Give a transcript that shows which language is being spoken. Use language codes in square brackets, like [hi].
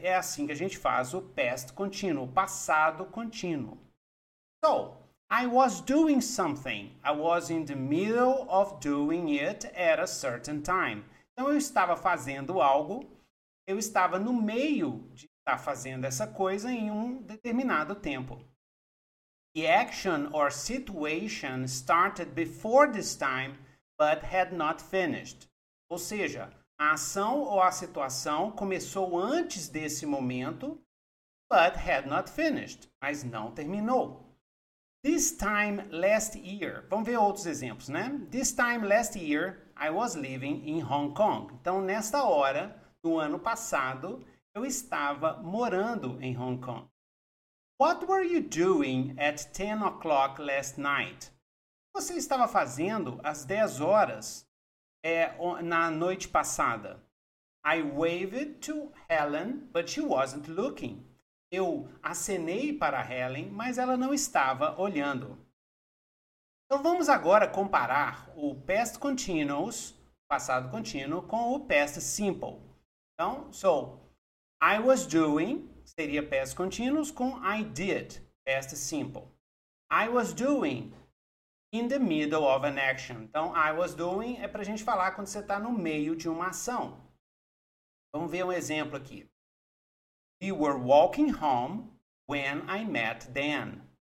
[pt] É assim que a gente faz o past continuous, passado contínuo. [en] So, I was doing something. I was in the middle of doing it at a certain time. [pt] Então, eu estava fazendo algo, eu estava no meio de estar fazendo essa coisa em um determinado tempo. [en] The action or situation started before this time, but had not finished. [pt] Ou seja, a ação ou a situação começou antes desse momento, [en] but had not finished, [pt] mas não terminou. [en] This time last year, [pt] vamos ver outros exemplos, né? [en] This time last year, I was living in Hong Kong. [pt] Então, nesta hora, no ano passado, eu estava morando em Hong Kong. [en] What were you doing at 10 o'clock last night? [pt] Você estava fazendo às 10 horas na noite passada. [en] I waved to Helen, but she wasn't looking. [pt] Eu acenei para Helen, mas ela não estava olhando. Então vamos agora comparar o past continuous, passado contínuo, com o past simple. Então, [en] so, I was doing... [pt] Seria past continuous com [en] I did, [pt] past simple. [en] I was doing in the middle of an action. [pt] Então, [en] I was doing [pt] é para a gente falar quando você está no meio de uma ação. Vamos ver um exemplo aqui. [en] We were walking home when I met Dan.